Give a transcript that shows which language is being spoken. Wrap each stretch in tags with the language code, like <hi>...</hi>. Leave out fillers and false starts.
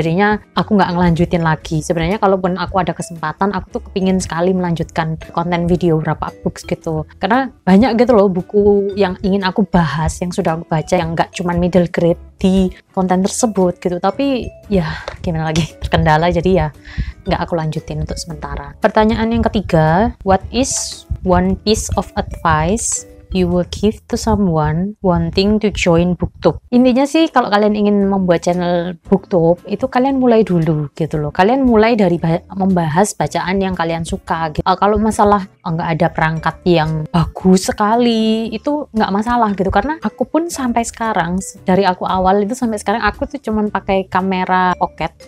<id>Jadinya aku nggak ngelanjutin lagi. Sebenarnya kalaupun aku ada kesempatan, aku tuh kepingin sekali melanjutkan konten video wrap up books gitu. Karena banyak gitu loh buku yang ingin aku bahas, yang sudah aku baca, yang nggak cuma middle grade di konten tersebut gitu. Tapi ya gimana lagi, terkendala jadi ya nggak aku lanjutin untuk sementara. Pertanyaan yang ketiga,</id> <en>what is one piece of advice you will give to someone wanting to join booktube?</en> <id>Intinya sih kalau kalian ingin membuat channel booktube itu kalian mulai dulu gitu loh. Kalian mulai dari membahas bacaan yang kalian suka gitu. Kalau masalah nggak ada perangkat yang bagus sekali itu nggak masalah gitu, karena aku pun sampai sekarang, dari aku awal itu sampai sekarang, aku tuh cuman pakai kamera pocket.</id>